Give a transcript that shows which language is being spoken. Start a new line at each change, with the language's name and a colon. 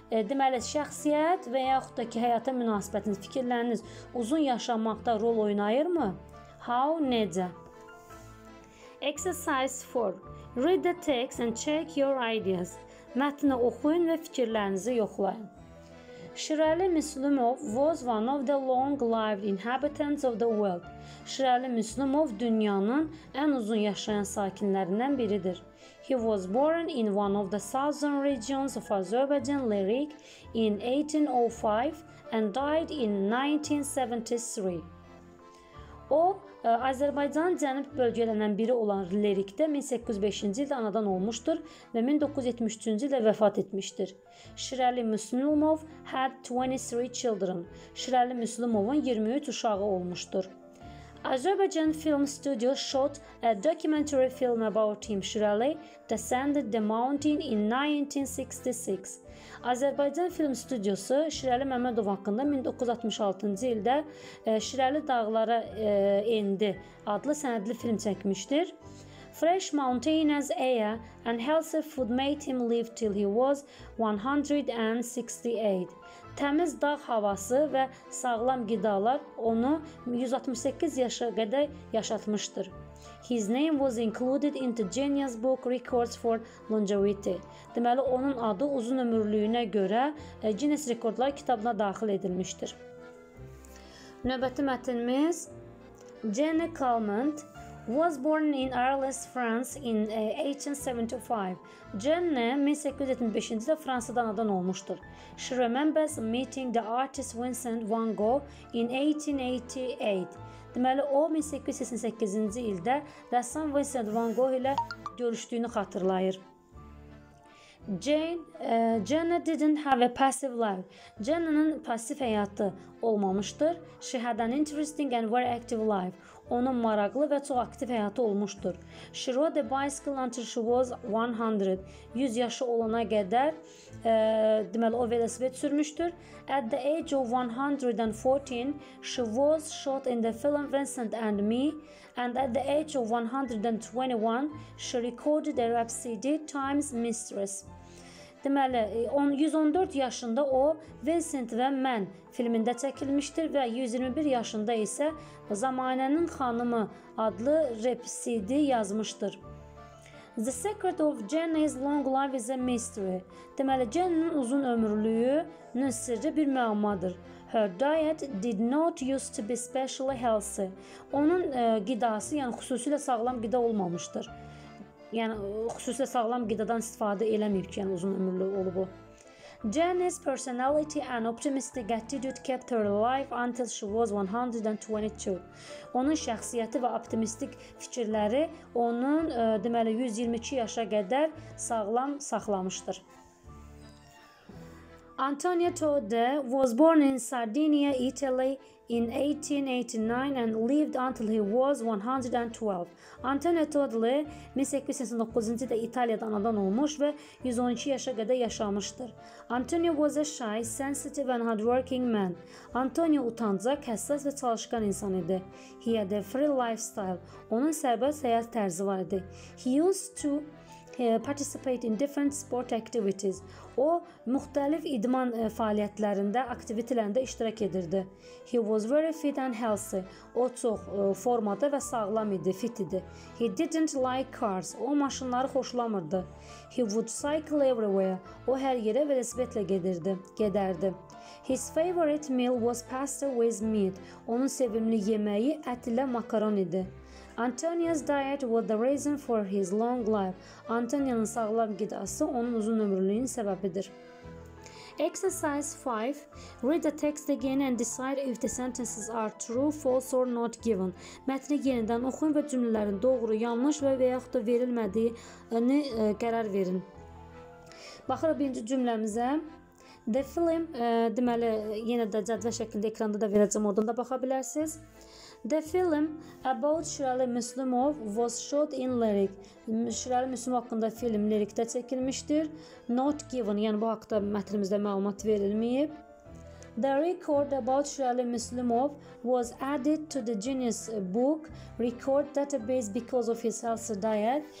Azerbaijani: Deməli, şəxsiyyət və yaxud da ki, həyata münasibətiniz, fikirləriniz uzun yaşamaqda rol oynayırmı?
English: How?
Azerbaijani: Necə?
English: Exercise 4. Read the text and check your ideas.
Azerbaijani: Mətni oxuyun və fikirlərinizi yoxlayın.
English: Şirəli Müslümov was one of the long-lived inhabitants of the world.
Azerbaijani: Şirəli Müslümov dünyanın ən uzun yaşayan sakinlərindən biridir.
English: He was born in one of the southern regions of Azerbaijan, Lerik, in 1805 and died in 1973.
Azerbaijani: O, Azərbaycanın cənub bölgələrindən biri olan Lerikdə 1805-ci ildə anadan olmuşdur və 1973-cü ildə vəfat etmişdir.
English: Şirəli Müslümov had 23 children.
Azerbaijani: Şirəli Müslümovun 23 uşağı olmuşdur.
English: Azerbaijan Film Studio shot a documentary film about him, Shirali, Descended the Mountain in 1966.
Azerbaijani: Azerbaycan Film Studiosu Şirəli Məmmədov haqqında 1966-cı ildə Şirəli Dağlara Endi adlı sənədli film çəkmişdir.
English: Fresh mountainous air and healthy food made him live till he was 168.
Azerbaijani: Təmiz dağ havası və sağlam qidalar onu 168 yaşa qədər yaşatmışdır.
English: His name was included in the Guinness Book Records for longevity.
Azerbaijani: Deməli, onun adı uzun ömürlüyünə görə Guinness Rekordlar kitabına daxil edilmişdir. Növbəti mətnimiz
English: Jenny Calment was born in Arles, France in 1875.
Azerbaijani: Jenny 1875-ci ildə Fransada anadan olmuşdur.
English: She remembers meeting the artist Vincent van Gogh in 1888.
Azerbaijani: Deməli, o 1888-ci ildə rəssam Vincent van Gogh ilə görüşdüyünü xatırlayır.
English: Jenny didn't have a passive life.
Azerbaijani: Jenny'nin pasif həyatı olmamışdır.
English: She had an interesting and very active life.
Azerbaijani: Onun maraqlı və çox aktiv həyatı olmuşdur.
English: She rode a bicycle until she was 100.
Azerbaijani: 100 yaşı olana qədər, deməli, o velosiped sürmüşdür.
English: At the age of 114, she was shot in the film Vincent and Me. And at the age of 121, she recorded a rhapsody, Time's Mistress.
Azerbaijani: Deməli, 114 yaşında o Vincent və Mən filmində çəkilmişdir və 121 yaşında isə Zamanənin Xanımı adlı rhapsody yazmışdır.
English: The secret of Jenny's long life is a mystery.
Azerbaijani: Deməli, Jenny'nin uzun ömürlüyünün sirri bir müəmmadır.
English: Her diet did not used to be specially healthy.
Azerbaijani: Onun qidası, yəni xüsusilə sağlam qida olmamışdır. Yəni, xüsusilə sağlam qidadan istifadə eləməyib ki, yəni, uzun ömürlü olub o.
English: Jenny's personality and optimistic attitude kept her alive until she was 122.
Azerbaijani: Onun şəxsiyyəti və optimistik fikirləri onun, deməli, 122 yaşa qədər sağlam saxlamışdır.
English: Antonia Todde was born in Sardinia, Italy in 1889 and lived until he was 112.
Azerbaijani: Antonia Todde 1889-cu ildə İtaliyada anadan olmuş və 112 yaşa qədər yaşamışdır.
English: Antonia was a shy, sensitive and hardworking man.
Azerbaijani: Antonia utancaq, həssas və çalışqan insan idi.
English: He had a free lifestyle.
Azerbaijani: Onun sərbəst həyat tərzi var idi.
English: He used to participate in different sport activities.
Azerbaijani: O, müxtəlif idman fəaliyyətlərində, aktivitələrində iştirak edirdi.
English: He was very fit and healthy.
Azerbaijani: O, çox formada və sağlam idi, fit idi.
English: He didn't like cars.
Azerbaijani: O, maşınları xoşlamırdı.
English: He would cycle everywhere.
Azerbaijani: O, hər yerə velosipedlə gedərdi.
English: His favorite meal was pasta with meat.
Azerbaijani: Onun sevimli yeməyi ət ilə makaron idi.
English: Antonia's diet was the reason for his long life.
Azerbaijani: Antonia'nın sağlam qidası onun uzun ömürlüyünün səbəbidir.
English: Exercise 5. Read the text again and decide if the sentences are true, false or not given.
Azerbaijani: Mətni yenidən oxuyun və cümlələrin doğru, yanlış və yaxud da verilmədiyini qərar verin. Baxırıq birinci cümləmizə. The film, deməli, yenə də cədvəl şəklində ekranda da verəcəm, oradan da baxa bilərsiniz.
English: The film about Şirəli Müslümov was shot in Lyric.
Azerbaijani: Şirəli Müslümov haqqında film Lyric-də çəkilmişdir. Not given, yəni bu haqqda mətnimizdə məlumat verilməyib.
English: The record about Şirəli Müslümov was added to the Guinness Book Record Database because of his healthy diet.